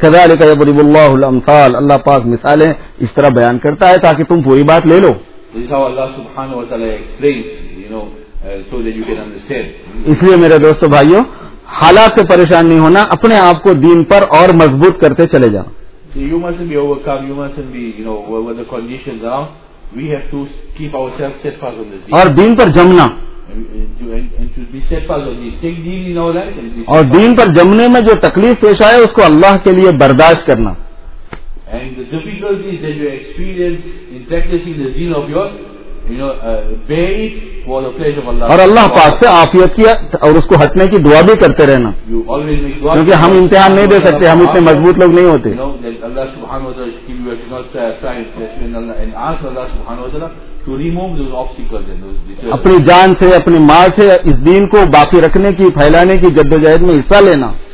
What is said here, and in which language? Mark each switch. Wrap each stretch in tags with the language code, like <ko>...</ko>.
<ar>كَذَلِكَ يَبْرِبُ اللَّهُ الْأَمْثَالِ</ar> <ur>Allah پاک مثالیں اس طرح بیان کرتا ہے تاکہ تم پوری بات لے لو.</ur> <en>This is how Allah subhanahu wa ta'ala explains, you know, so that you can understand.</en> <ur>اس لئے میرے دوستو بھائیو حالات سے پریشان نہیں ہونا، اپنے آپ کو دین پر اور مضبوط کرتے چلے جاؤ.</ur> <en>So you mustn't be overcome, you mustn't be, you know, whatever the conditions are, we have to keep ourselves steadfast on this deen.</en> <ur>اور دین پر Jamuna.</ur> <en>And to be steadfast on this. Take deen in our lives and be</en> <ur>اور دین پر جمنے میں جو تکلیف پیش آئے اس کو اللہ کے لئے برداشت کرنا.</ur> <en>And the difficulties that you experience in practicing the deen of yours, you know, bear it for the pleasure of Allah.</en> <ur>اور اللہ پاک سے عافیت کی اور اس کو ہٹنے کی دعا بھی کرتے رہنا.</ur> <en>You always make dua.</en> <ur>کیونکہ ہم امتحان نہیں دے سکتے، ہم اتنے مضبوط لوگ نہیں ہوتے.</ur> <en>You know, that Allah subhanahu wa ta'ala should give you a chance to try and test when Allah and ask Allah subhanahu wa ta'ala to remove those obstacles and those deterrents.</en> <ur>اپنی جان سے اپنی مال سے اس دین کو باقی رکھنے کی پھیلانے کی جدوجہد میں حصہ لینا.</ur>